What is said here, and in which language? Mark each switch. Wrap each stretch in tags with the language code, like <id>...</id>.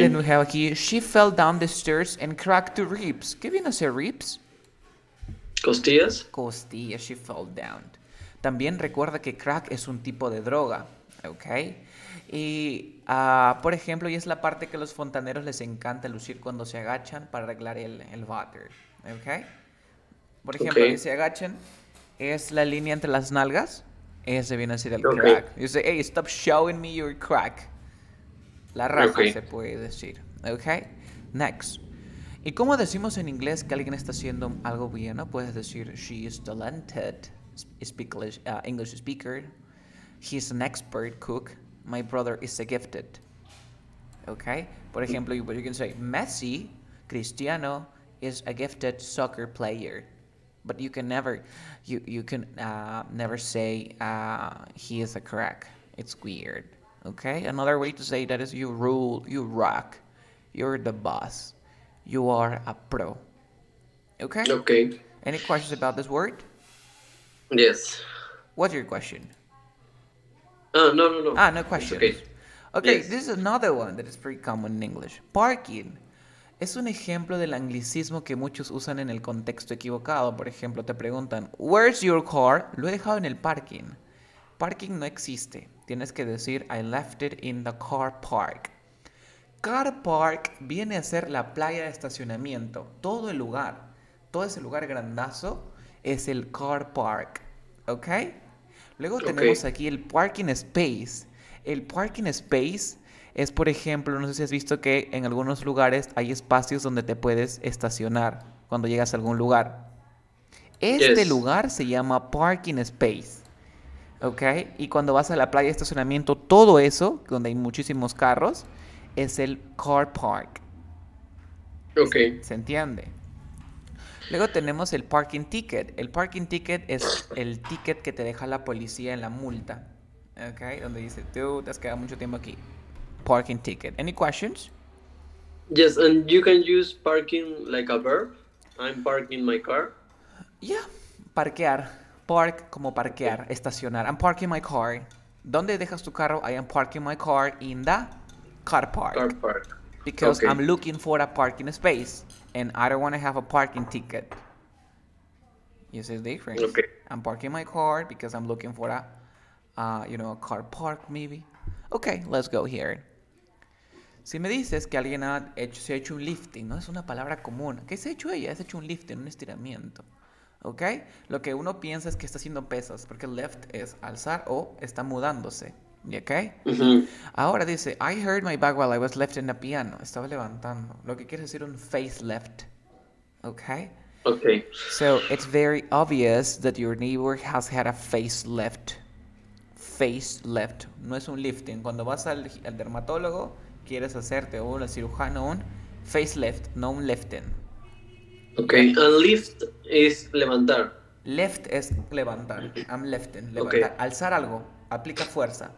<en>Then we have here, she fell down the stairs and cracked two ribs.</en> <es>¿Qué viene a ser ribs? Costillas. Costillas.</es> <en>She fell down.</en> <es>También recuerda que crack es un tipo de droga, ¿ok? Y, por ejemplo, y es la parte que a los fontaneros les encanta lucir cuando se agachan para arreglar el water, ¿ok? Por ejemplo, si se agachan, es la línea entre las nalgas, ese viene a ser el crack.</es> <en>You say, hey, stop showing me your crack.</en> <es>La raja se puede decir, ¿ok?</es> <en>Next.</en> <es>¿Y cómo decimos en inglés que alguien está haciendo algo bien? ¿No? Puedes decir,</es> <en>she is talented. English speaker, he's an expert cook, my brother is a gifted. Okay,</en> <es>por ejemplo,</es> <en>you can say Messi, Cristiano, is a gifted soccer player, but you can never, you can never say he is a crack. It's weird. Okay, another way to say that is you rule, you rock, you're the boss, you are a pro. Okay. Okay. Any questions about this word? Yes. What's your question? No. Ah, no question. Okay, yes. This is another one that is pretty common in English.</en> <es>Parking es un ejemplo del anglicismo que muchos usan en el contexto equivocado. Por ejemplo, te preguntan,</es> <en>where's your car?</en> <es>Lo he dejado en el parking. Parking no existe. Tienes que decir,</es> <en>I left it in the car park.</en> <es>Car park viene a ser la playa de estacionamiento. Todo el lugar, todo ese lugar grandazo es el car park, ¿ok? Luego tenemos aquí el parking space. El parking space es, por ejemplo, no sé si has visto que en algunos lugares hay espacios donde te puedes estacionar cuando llegas a algún lugar. Este lugar se llama parking space, ¿ok? Y cuando vas a la playa de estacionamiento, todo eso, donde hay muchísimos carros, es el car park. Ok. ¿Se entiende? Luego tenemos el parking ticket. El parking ticket es el ticket que te deja la policía en la multa. ¿Ok? Donde dice, tú te has quedado mucho tiempo aquí.</es> <en>Parking ticket. ¿Any questions? Yes, and you can use parking like a verb. I'm parking my car. Yeah,</en> <es>parquear. Park como parquear, estacionar.</es> <en>I'm parking my car.</en> <es>¿Dónde dejas tu carro?</es> <en>I am parking my car in the car park. Car park. Because I'm looking for a parking space. And I don't want to have a parking ticket. You see the difference? Okay. I'm parking my car because I'm looking for a car park maybe. Okay, let's go here.</en> <es>Si me dices que alguien se ha hecho un lifting, ¿no? Es una palabra común. ¿Qué se ha hecho ella? Se ha hecho un lifting, un estiramiento. ¿Ok? Lo que uno piensa es que está haciendo pesas, porque lift es alzar o está mudándose. ¿Ok? Ahora dice,</es> <en>I hurt my back while I was lifting a piano.</en> <es>Estaba levantando. Lo que quiere decir un facelift. ¿Ok?</es> <en>Okay. So, it's very obvious that your neighbor has had a facelift.</en> <es>Facelift. No es un lifting. Cuando vas al dermatólogo, quieres hacerte o al cirujano un facelift, no un lifting.</es> <en>Okay, and lift</en> <es>es levantar.</es> <en>Lift</en> <es>es levantar.</es> <en>I'm lifting,</en> <es>levantar.</es> <en>Okay.</en> <es>Alzar algo. Aplica fuerza.</es>